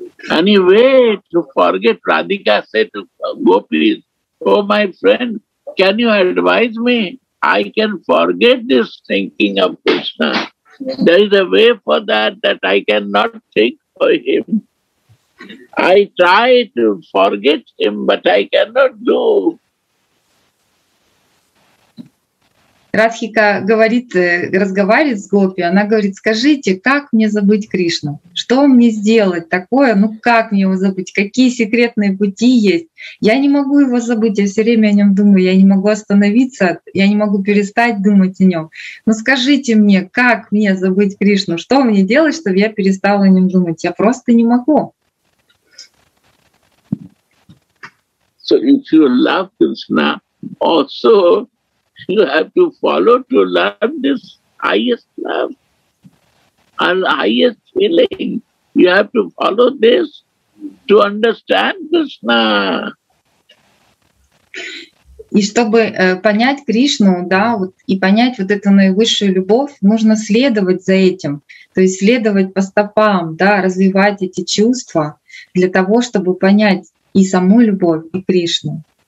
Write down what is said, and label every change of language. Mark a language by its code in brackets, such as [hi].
[en] Any way to forget, Radhika said to gopis, oh my friend, can you advise me? I can forget this thinking of Krishna. There is a way for that I cannot think for him. I try to forget him, but I cannot do. [ru] Радхика говорит, разговаривает с гопи, она говорит, скажите, как мне забыть Кришну? Что мне сделать такое? Ну как мне его забыть? Какие секретные пути есть? Я не могу его забыть, я все время о нем думаю, я не могу остановиться, я не могу перестать думать о нем. Но скажите мне, как мне забыть Кришну? Что мне делать, чтобы я перестала о нем думать? Я просто не могу. [en] So if you love Krishna also, you have to follow to learn this highest love and highest feeling. You have to follow this to understand Krishna. [ru] И чтобы понять Кришну, да, вот, и понять вот эту наивысшую любовь, нужно следовать за этим, то есть следовать по стопам, да, развивать эти чувства для того, чтобы понять и саму любовь, и Кришну.